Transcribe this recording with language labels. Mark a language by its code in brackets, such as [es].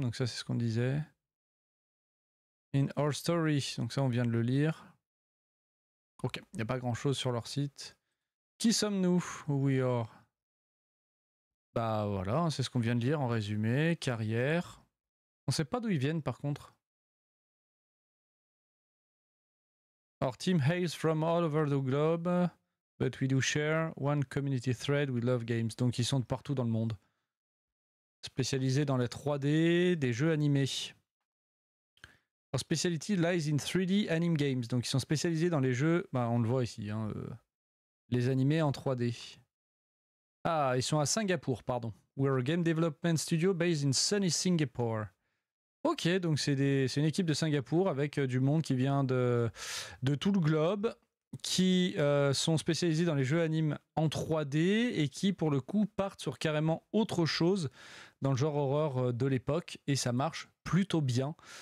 [fr] Donc ça, c'est ce qu'on disait. [en] In Our Story. [fr] Donc ça, on vient de le lire. Ok, il n'y a pas grand-chose sur leur site. Qui sommes-nous, [en] We Are? [fr] Bah voilà, c'est ce qu'on vient de lire en résumé. Carrière. On sait pas d'où ils viennent par contre. [en] Our team hails from all over the globe, but we do share one community thread. We love games. [fr] Donc ils sont de partout dans le monde. Spécialisés dans les 3D, des jeux animés. [en] Our specialty lies in 3D anime games. [fr] Donc ils sont spécialisés dans les jeux. Bah on le voit ici, hein. Les animés en 3D. Ah, ils sont à Singapour, pardon. [en] We're a game development studio based in sunny Singapore. [fr] Ok, donc c'est une équipe de Singapour avec du monde qui vient de tout le globe, qui sont spécialisés dans les jeux animés en 3D et qui, pour le coup, partent sur carrément autre chose dans le genre horreur de l'époque. Et ça marche plutôt bien.